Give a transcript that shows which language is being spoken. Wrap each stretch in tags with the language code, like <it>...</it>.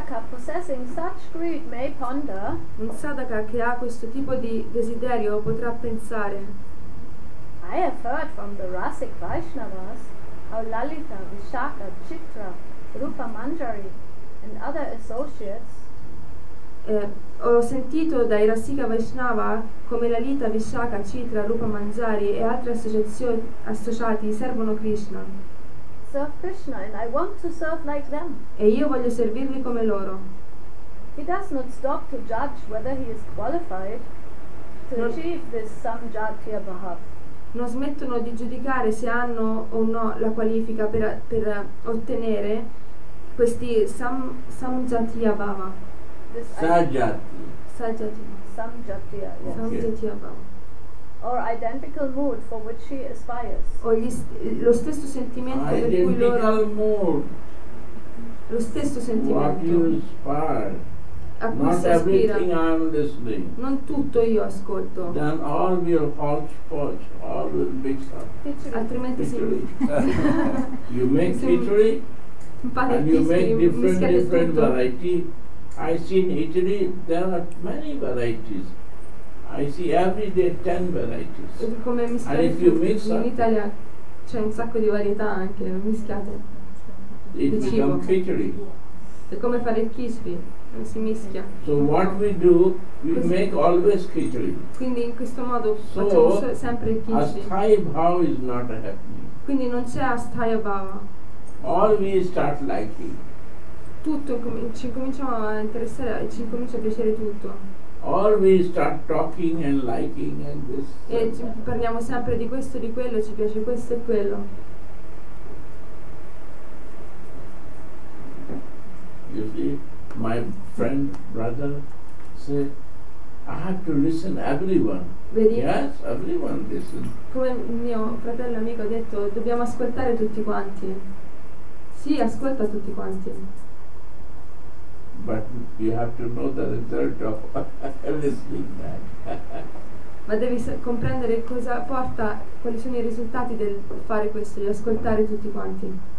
<en>Possessing such greed may ponder.</en> <it>Un sadaka che ha questo tipo di desiderio potrà pensare.</it> <en>I have heard from the Rasik Vaishnavas how Lalita, Vishaka, Chitra, Rupa Manjari and other associates.</en> <it>Ho sentito dai Rasika Vaishnava come Lalita, Vishaka, Chitra, Rupa Manjari e altre associazioni associati servono Krishna.</it> <en>Serve Krishna and I want to serve like them.</en> <it>E io voglio servirmi come loro.</it> <en>He does not stop to judge whether he is qualified to achieve this samjatiya bhav.</en> <it>Non smettono di giudicare se hanno o no la qualifica per ottenere questi samjatiya bhava.</it> <sa>Samjatiya bhava.</sa> <en>Or identical mood for which she aspires.</en> <it>O lo stesso sentimento</it> <en>identical</en> <it>per cui loro</it> <en>mood.</en> <it>Lo stesso sentimento</it> <en>what you aspire. Not everything I am listening.</en> <it>Non tutto io ascolto.</it> <en>Then all will hodgepodge, all will mix up.</en> <it>Altrimenti sì.</it> <en>You make Italy and you make different variety. I see in Italy there are many varieties. I see every day 10 varieties. And if you mix up,</en> <it>in Italia c'è un sacco di varietà anche, mischiate.</it> <en>It becomes</en> <it>kishri. È come fare il kishri. Si mischia.</it> <en>So what we do, we make always kishri.</en> <it>Quindi in questo modo</it> <en>so</en> <it>facciamo sempre il kishri.</it> <en>Asthaya bhava is not happening.</en> <it>Quindi non c'è asthaya bhava.</it> <en>All we start liking.</en> <it>Tutto ci cominciamo a interessare, ci comincia a piacere tutto.</it> <en>All we start talking and liking and this.</en> <it>E parliamo sempre di questo, di quello, ci piace questo e quello.</it> <en>You see, my friend, brother, say, I have to listen everyone.</en> <it>Vedi?</it> <en>Yes, everyone listen.</en> <it>Come mio fratello amico ha detto, dobbiamo ascoltare tutti quanti. Sì, ascolta tutti quanti.</it> <en>But you have to know the result of listening that.</en> <it>Ma devi comprendere cosa porta, quali sono i risultati del fare questo, di ascoltare tutti quanti.</it>